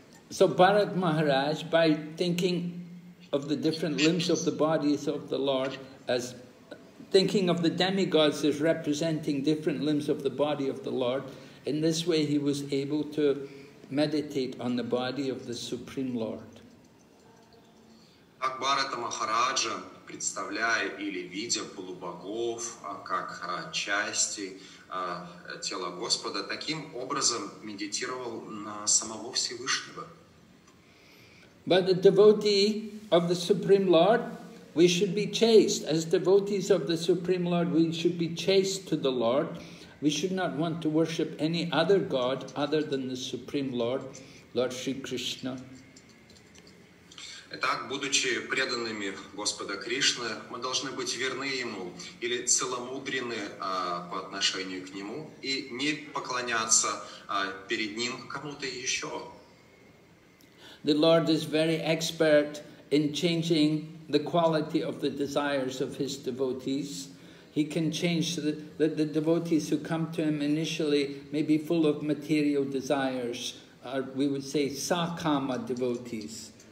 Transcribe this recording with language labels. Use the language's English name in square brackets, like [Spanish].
[English] So Bharat Maharaj, by thinking of the different limbs of the bodies of the Lord as thinking of the demigods as representing different limbs of the body of the Lord. In this way, he was able to meditate on the body of the Supreme Lord. [Russian] Так Бхарата Махараджа, представляя или видя полубогов как части тела Господа, таким образом медитировал на самого Всевышнего. [English] But the devotee of the Supreme Lord, we should be chaste. As devotees of the Supreme Lord, we should be chaste to the Lord. We should not want to worship any other God other than the Supreme Lord, Lord Shri Krishna. [Russian] Итак, будучи преданными Господа Кришны, мы должны быть верны Ему или целомудрены по отношению к Нему и не поклоняться перед Ним кому-то еще. [English] The Lord is very expert in changing the quality of the desires of His devotees. He can change the devotees who come to Him initially may be full of material desires, or we would say sakama devotees.